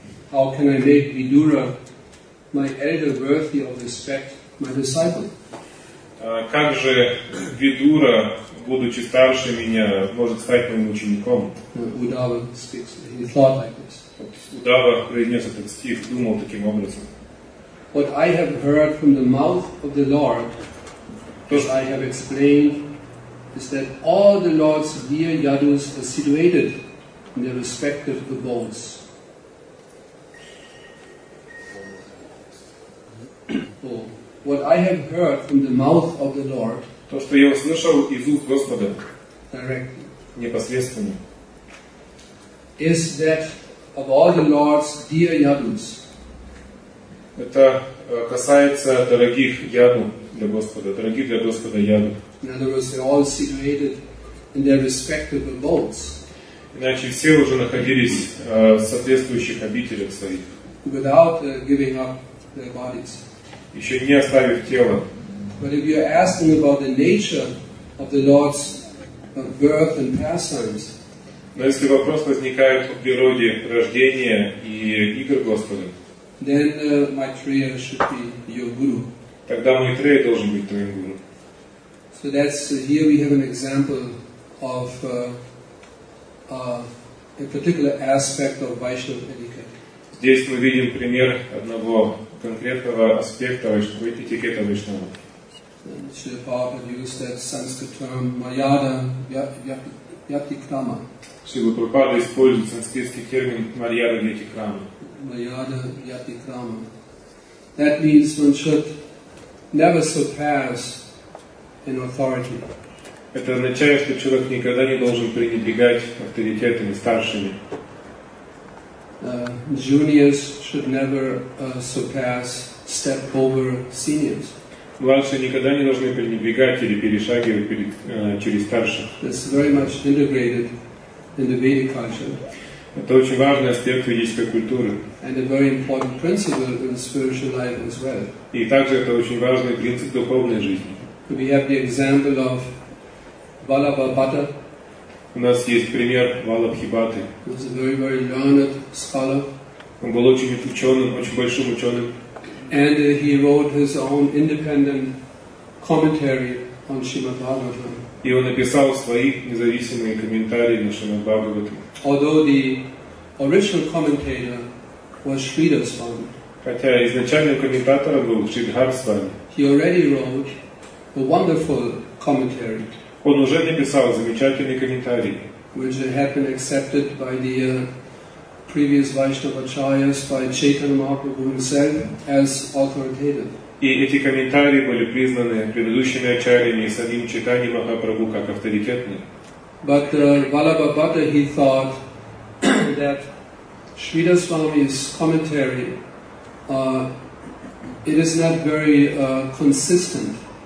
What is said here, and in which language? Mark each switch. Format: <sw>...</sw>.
<en>how can I make Vidura, my elder, worthy of respect, my disciple?</en> <ru>Как же Vidura, будучи старше меня, может стать моим учеником?</ru> <en>Udava speaks. He thought like this.</en> <ru>Удава произнес этот стих, думал таким образом.</ru> <en>What I have heard from the mouth of the Lord, as I have explained, is that all the Lord's dear yadus are situated in their respective abodes. What I have heard from the mouth of the Lord,</en> <ru>то, что я услышал из уст Господа,</ru> <en>directly,</en> <ru>непосредственно,</ru> <en>is that of all the Lord's dear yadus.</en> <ru>Это касается дорогих яду для Господа, дорогих для Господа яду.</ru> <en>In other words, they're all situated in their respective abodes.</en> <ru>Иначе все уже находились в соответствующих обителях своих.</ru> <en>Without giving up their bodies.</en> <ru>Еще не оставив тело.</ru> <en>But if you're asking about the nature of the Lord's birth and pastimes.</en> <ru>Но если вопрос возникает о природе рождения и игр Господа,</ru> <en>then Maitreya should be your guru.</en> <ru>Тогда Майтрея должен быть твоим гуру.</ru> <en>So that's here we have an example of a particular aspect of Vaishnava etiquette.</en> <ru>Здесь мы видим пример одного конкретного аспекта этикета Вайшнава.</ru> <en>Srila Prabhupada used that Sanskrit term Maryada Vyatikrama.</en> <ru>Srila Prabhupada использует санскритский термин Maryada Vyatikrama.</ru> <en>Maryada Vyatikrama. That means one should never surpass an authority.</en> <ru>Это означает, что человек никогда не должен пренебрегать авторитетами старшими.</ru> <en>Juniors should never surpass, step over seniors.</en> <ru>Младшие никогда не должны пренебрегать или перешагивать через старших.</ru> <en>That's very much integrated in the Vedic culture.</en> <ru>Это очень важный аспект ведической культуры.</ru> <en>And a very important principle in spiritual life as well.</en> <ru>И также это очень важный принцип духовной жизни.</ru> <en>We have the example of Vallabhabhatta.</en> <ru>У нас есть пример Vallabhabhatta.</ru> <en>He was a very, very learned scholar.</en> <ru>Он был очень ученым, очень большим ученым.</ru> <en>And he wrote his own independent commentary on Srimad Bhagavatam.</en> <ru>И он написал свои независимые комментарии на Шримад Бхагаватам.</ru> <en>Although the original commentator was Sridhar Swami.</en> <ru>Хотя изначальным комментатором был Шридхар Свами.</ru> <en>He already wrote a wonderful commentary.</en> <ru>Он уже написал замечательный комментарий.</ru> <en>Which had been accepted by the previous Vaishnava Acharyas, by Chaitanya Mahaprabhu himself, as authoritative.</en> <ru>И эти комментарии были признаны предыдущими Ачарьями и самим Чайтанья Махапрабху как авторитетные.</ru> <en>But Vallabhabhatta, he thought that Sridhar Swami's commentary, it is not very consistent.</en>